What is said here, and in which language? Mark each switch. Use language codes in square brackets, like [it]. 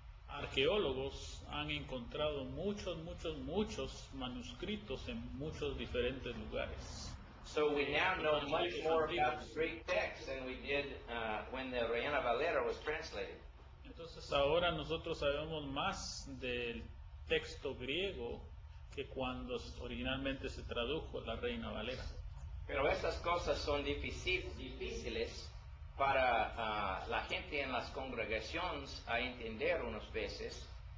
[es] Arqueólogos han encontrado muchos, muchos, muchos manuscritos en muchos diferentes lugares. [en] So we now know much more about Greek texts than we did when the Reina Valera was translated. [es] Entonces ahora nosotros sabemos más del texto griego que cuando originalmente se tradujo la Reina Valera. Pero estas cosas son difíciles para la gente en las congregaciones a entender unas veces.